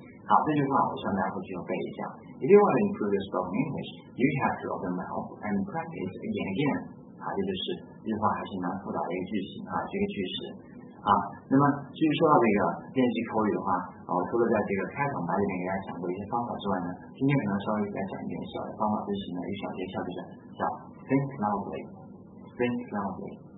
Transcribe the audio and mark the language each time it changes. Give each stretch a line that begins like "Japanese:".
Chinese: 好，这句话我希望大家回去要背一下。
English: If you want to improve your spoken English, you have to open your mouth and practice again and again。
Chinese: 啊，这就是这句话还是蛮复杂的一个句型啊，这个句式。啊，那么至于说到这个练习口语的话，啊，我除了在这个开场白里面给大家讲过一些方法之外呢，今天可能稍微给大家讲一点小的方法，就是呢一小诀窍，就是叫
English: think loudly， think loudly。